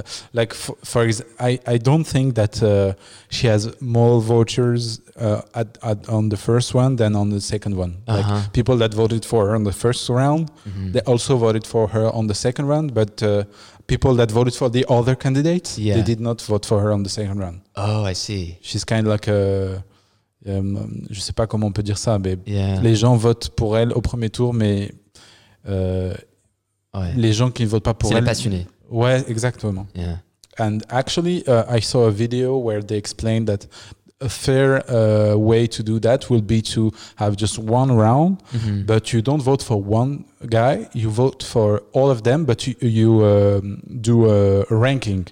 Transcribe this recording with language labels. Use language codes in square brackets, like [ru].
[en] I don't think that she has more voters on the first one than on the second one. Uh-huh. Like people that voted for her on the first round, mm-hmm. they also voted for her on the second round. But people that voted for the other candidates, yeah. they did not vote for her on the second round. Oh, I see. She's kind of like a... [fr] je sais pas comment on peut dire ça, mais [en] yeah. [fr] les gens votent pour elle au premier tour, mais ouais. les gens qui ne votent pas pour c'est elle, c'est les passionnés. Ouais, exactement. [en] Yeah. And actually, I saw a video where they explained that a fair way to do that will be to have just one round, mm-hmm. but you don't vote for one guy, you vote for all of them, but you do a ranking.